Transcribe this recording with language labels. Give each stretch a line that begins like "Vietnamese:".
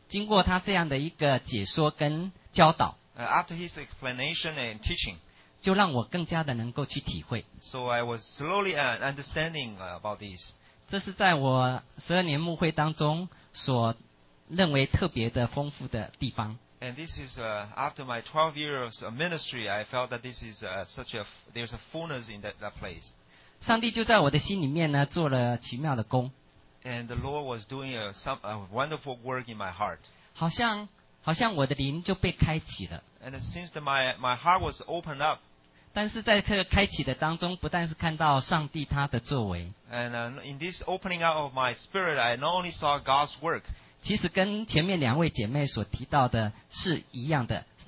Chinese: 经过他这样的一个解说跟教导。
English: After his explanation and teaching,
Chinese: 就让我更加的能够去体会。
English: So I was slowly understanding about this.
Chinese: 这是在我十二年牧会当中所认为特别的丰富的地方。
English: And this is after my 12 years of ministry, I felt that this is there's a fullness in that place.
Chinese: 上帝就在我的心里面呢做了奇妙的工。
English: And the Lord was doing a wonderful work in my heart.
Chinese: 好像我的灵就被开启了。
English: And it seems that my heart was opened up.
Chinese: 但是在这个开启的当中，不但是看到上帝他的作为。
English: And in this opening up of my spirit, I not only saw God's work.
Chinese: 其实跟前面两位姐妹所提到的是一样的。